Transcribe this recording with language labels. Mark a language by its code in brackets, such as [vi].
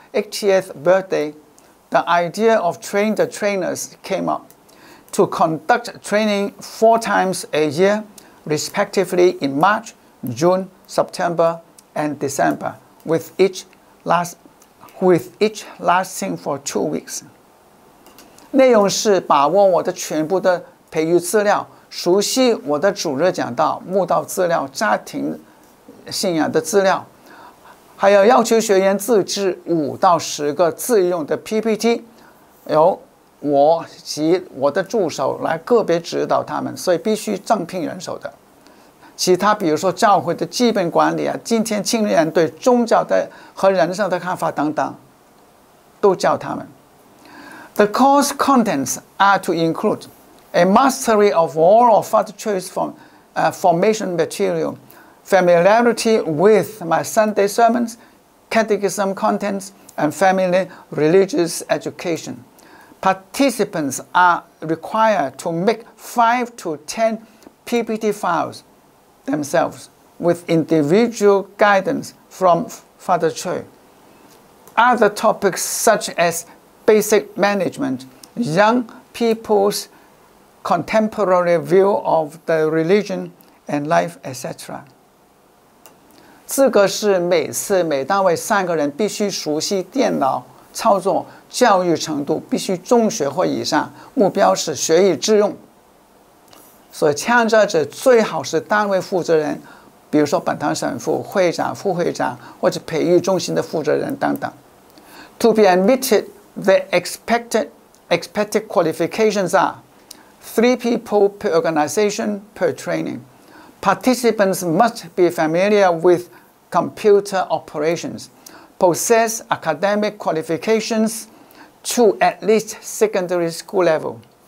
[en] 80th birthday, the idea of training the trainers came up to conduct training 4 times a year, respectively in March, June, September, and December, with each lasting for 2 weeks. [zh] 内容是把握我的全部的培育资料，熟悉我的主日讲道、慕道资料、家庭信仰的资料，还有要求学员自制5到10个自用的 PPT， 由我及我的助手来个别指导他们，所以必须正聘人手的。其他比如说教会的基本管理啊，今天青年对宗教的和人生的看法等等，都教他们。 [en] The course contents are to include a mastery of all of Father Choi's formation material, familiarity with my Sunday sermons, catechism contents, and family religious education. Participants are required to make 5 to 10 PPT files themselves with individual guidance from Father Choi. Other topics such as basic management, young people's contemporary view of the religion and life, etc. [zh] 资格是每次每单位3个人必须熟悉电脑操作，教育程度必须中学或以上，目标是学以致用。所以参加者最好是单位负责人，比如说本堂神父、会长、副会长或者培育中心的负责人等等。 [en] To be admitted, the expected qualifications are 3 people per organization per training. Participants must be familiar with computer operations, possess academic qualifications to at least secondary school level.